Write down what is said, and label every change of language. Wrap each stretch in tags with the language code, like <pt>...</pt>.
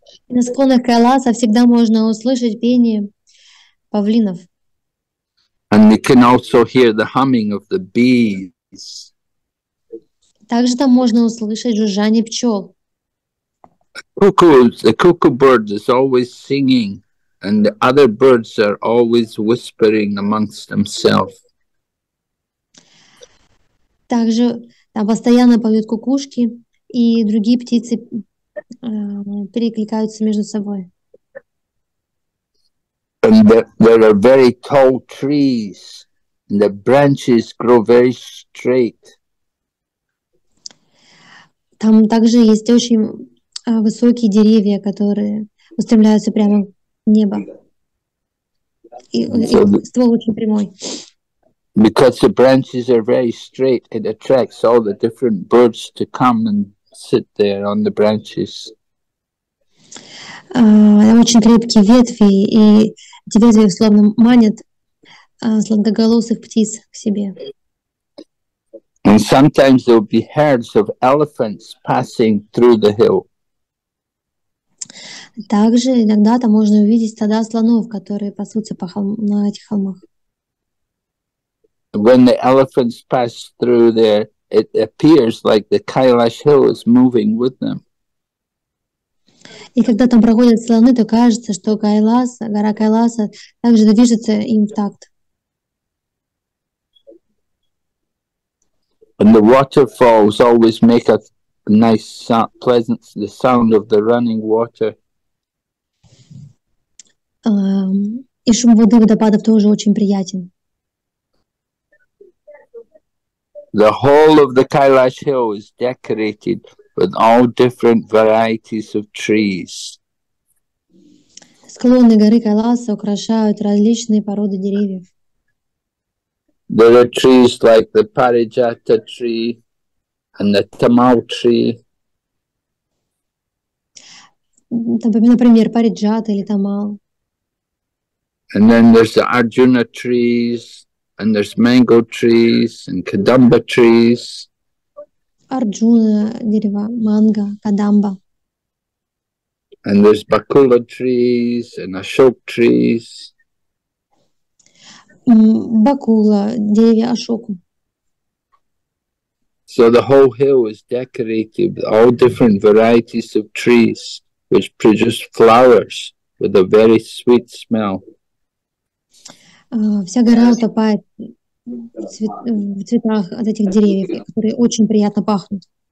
<ru>На склонах Кайласа всегда можно услышать пение павлинов.</ru> <en>And you can also hear the humming of the bees.</en> <ru>Также там можно услышать жужжание пчел.</ru> <en>The cuckoo bird is always singing, and the other birds are always whispering amongst themselves.</en> <ru>Также там постоянно поют кукушки, и другие птицы перекликаются между собой.</ru> <en>And there are very tall trees, and the branches grow very straight.</en> <ru>Там также есть очень высокие деревья, которые устремляются прямо в небо. И ствол очень прямой.</ru> <en>Because the branches are very straight, it attracts all the different birds to come and sit there on the branches.</en> <ru>Очень крепкие ветви, и деревья словно манят сладкоголосых птиц к себе.</ru> <en>And sometimes there will be herds of elephants passing through the hill.</en> <ru>Также иногда там можно увидеть стада слонов, которые пасутся по на этих холмах.</ru> <en>When the elephants pass through there, it appears like the Kailash Hill is moving with them.</en> <ru>И когда там проходят слоны, то кажется, что Кайласа, гора Кайласа, также движется им в такт.</ru> <en>And the waterfalls always make a nice, pleasant the sound of the running water.</en> <ru>И шум воды водопадов тоже очень приятен.</ru> <en>The whole of the Kailash Hill is decorated with all different varieties of trees.</en> <ru>Склоны горы Кайласа украшают различные породы деревьев.</ru> <en>There are trees like the Parijata tree and the Tamal tree.</en> <ru>Например, Parijata или Tamal.</ru> <en>And then there's the Arjuna trees, and there's mango trees and Kadamba trees.</en> <ru>Arjuna дерево, манго, Kadamba.</ru> <en>And there's Bakula trees and Ashok trees.</en> <ru>Бакула, деревья Ашоку.</ru> <en>So the whole hill is decorated with all different varieties of trees, which produce flowers with a very sweet smell.</en> <ru>Вся гора утопает в цветах от этих деревьев, которые очень приятно пахнут.</ru>